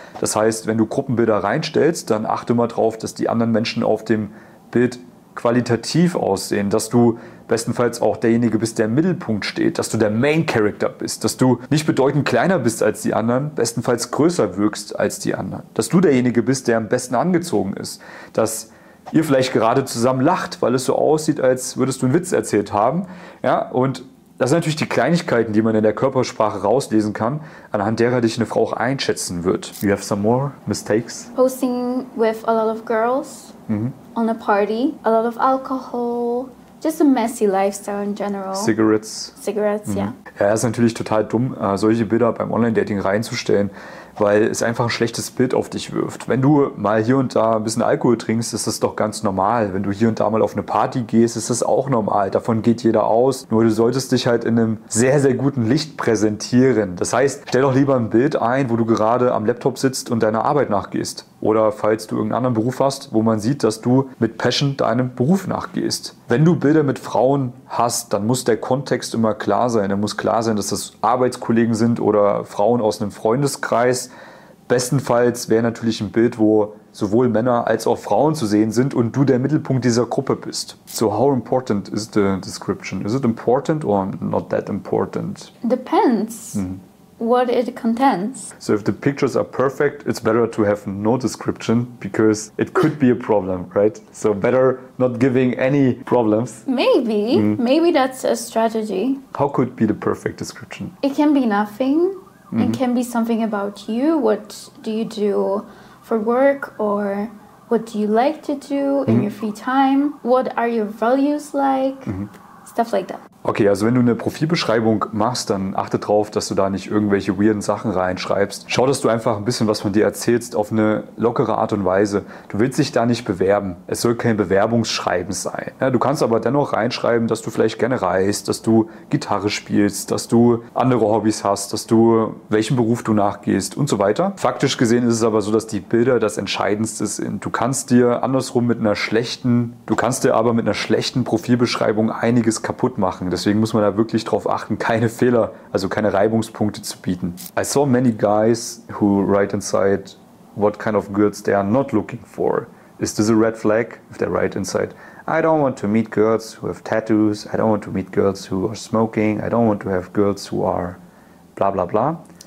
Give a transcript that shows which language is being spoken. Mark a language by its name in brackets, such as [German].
[German] Das heißt, wenn du Gruppenbilder reinstellst, dann achte mal drauf, dass die anderen Menschen auf dem Bild qualitativ aussehen, dass du bestenfalls auch derjenige bist, der im Mittelpunkt steht, dass du der Main Character bist, dass du nicht bedeutend kleiner bist als die anderen, bestenfalls größer wirkst als die anderen, dass du derjenige bist, der am besten angezogen ist, dass ihr vielleicht gerade zusammen lacht, weil es so aussieht, als würdest du einen Witz erzählt haben. Ja, und das sind natürlich die Kleinigkeiten, die man in der Körpersprache rauslesen kann, anhand derer dich eine Frau auch einschätzen wird. [English] You have some more mistakes? Posting with a lot of girls on a party, a lot of alcohol, just a messy lifestyle in general. Cigarettes, yeah. [German] Ja, das ist natürlich total dumm, solche Bilder beim Online-Dating reinzustellen, weil es einfach ein schlechtes Bild auf dich wirft. Wenn du mal hier und da ein bisschen Alkohol trinkst, ist das doch ganz normal. Wenn du hier und da mal auf eine Party gehst, ist das auch normal. Davon geht jeder aus. Nur du solltest dich halt in einem sehr, sehr guten Licht präsentieren. Das heißt, stell doch lieber ein Bild ein, wo du gerade am Laptop sitzt und deiner Arbeit nachgehst. Oder falls du irgendeinen anderen Beruf hast, wo man sieht, dass du mit Passion deinem Beruf nachgehst. Wenn du Bilder mit Frauen hast, dann muss der Kontext immer klar sein. Dann muss klar sein, dass das Arbeitskollegen sind oder Frauen aus einem Freundeskreis. Bestenfalls wäre natürlich ein Bild, wo sowohl Männer als auch Frauen zu sehen sind und du der Mittelpunkt dieser Gruppe bist. [English] So how important is the description? Is it important or not that important? Depends. What it contains. So if the pictures are perfect, it's better to have no description because it could be a problem, right? So better not giving any problems. Maybe. Maybe that's a strategy. How could be the perfect description? It can be nothing. It can be something about you. What do you do for work or what do you like to do in your free time? What are your values like? Stuff like that. [German] Okay, also wenn du eine Profilbeschreibung machst, dann achte drauf, dass du da nicht irgendwelche weirden Sachen reinschreibst. Schau, dass du einfach ein bisschen was von dir erzählst auf eine lockere Art und Weise. Du willst dich da nicht bewerben. Es soll kein Bewerbungsschreiben sein. Ja, du kannst aber dennoch reinschreiben, dass du vielleicht gerne reist, dass du Gitarre spielst, dass du andere Hobbys hast, dass du welchen Beruf du nachgehst und so weiter. Faktisch gesehen ist es aber so, dass die Bilder das Entscheidendste sind. Du kannst dir andersrum mit einer schlechten, Profilbeschreibung einiges kaputt machen. Deswegen muss man da wirklich drauf achten, keine Fehler, also keine Reibungspunkte zu bieten. [English] I saw many guys who write inside what kind of girls they are not looking for. Is this a red flag if they write inside? I don't want to meet girls who have tattoos. I don't want to meet girls who are smoking. I don't want to have girls who are blah, blah, blah.